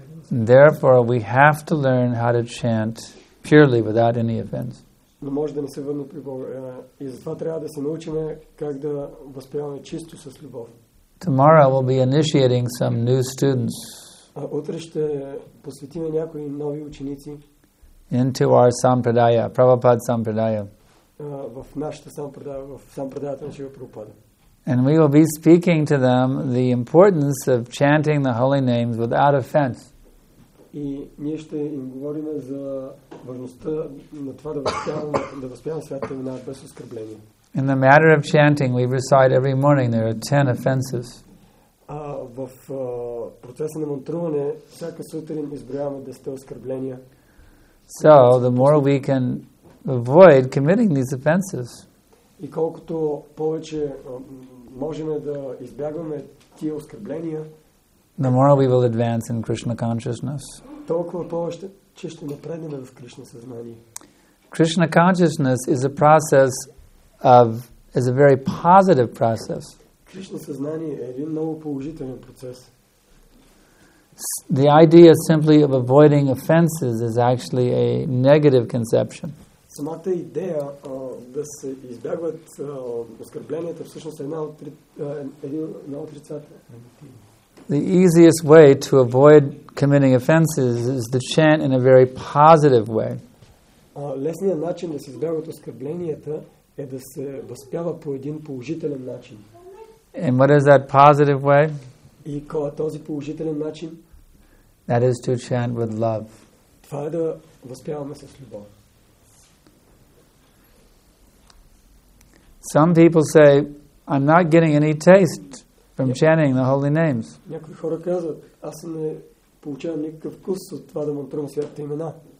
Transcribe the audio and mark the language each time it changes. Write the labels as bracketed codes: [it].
[en] Therefore, we have to learn how to chant purely without any offense. [bg] Но може да не се върне при Бога. И затова трябва да се научим как да възпяваме чисто с любов. [en] Tomorrow we'll be initiating some new students. [bg] Утре ще посветим някои нови ученици. [en] Into our Sampradaya, Prabhupada Sampradaya. [bg] В нашата Sampradaya, в Sampradaya на Шрила Прабхупада. [en] And we will be speaking to them the importance of chanting the holy names without offense. [bg] И ние ще им говорим за важността на това да възпяваме святите имена без оскърбление. [en] In the matter of chanting, we recite every morning there are 10 offenses. [bg] В процеса на мантруване всяка сутрин изброяваме 10 оскърбления. [en] So, the more we can avoid committing these offenses. [bg] И колкото повече можем да избягваме тия оскърбления, [en] the more we will advance in Krishna consciousness. [bg] Толкова повече, че ще напреднем в Кришна съзнание. [en] Krishna consciousness is a process of is a very positive process. [bg] Кришна съзнание е един много положителен процес. [en] The idea simply of avoiding offenses is actually a negative conception. [bg] Самата идея да се избягват оскърбленията всъщност е една отрицателна. [en] The easiest way to avoid committing offenses is to chant in a very positive way. [bg] Лесният начин да се избягват оскърбленията е да се възпява по един положителен начин. [en] And what is that positive way? [bg] И кой е този положителен начин? [en] That is to chant with love. [bg] Това е да възпяваме с любов. [en] Some people say, I'm not getting any taste from chanting the holy names. [bg] Някои хора казват, аз не получавам никакъв вкус от това да мантрам святите имена.